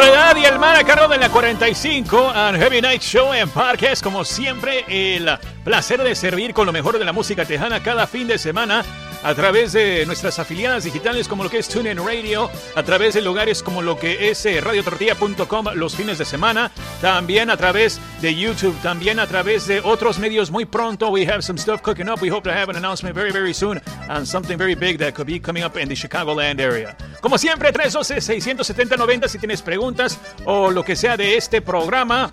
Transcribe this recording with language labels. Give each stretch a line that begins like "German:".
Spanish: 45 and Heavy Night Show en Parques, como siempre, el placer de servir con lo mejor de la música tejana cada fin de semana a través de nuestras afiliadas digitales como lo que es TuneIn Radio, a través de lugares como lo que es RadioTortilla.com los fines de semana, también a través de YouTube, también a través de otros medios. Muy pronto,
English: we have some stuff cooking up, we hope to have an announcement very very soon and something very big that could be coming up in the Chicagoland area.
Spanish: Como siempre, 312-670-90 si tienes preguntas o lo que sea de este programa.